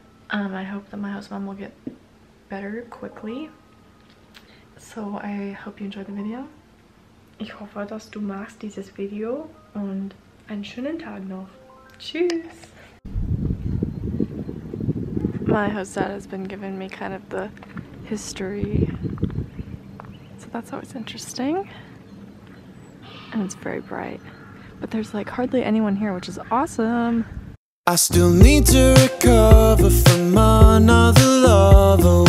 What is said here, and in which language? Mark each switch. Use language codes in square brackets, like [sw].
[en] I hope that my house mom will get better quickly. So I hope you enjoyed the video. [de] Ich hoffe, dass du magst dieses Video und einen schönen Tag noch. Tschüss! [en] My host dad has been giving me kind of the history. So that's always interesting. And it's very bright. But there's like hardly anyone here, which is awesome. I still need to recover from another lover.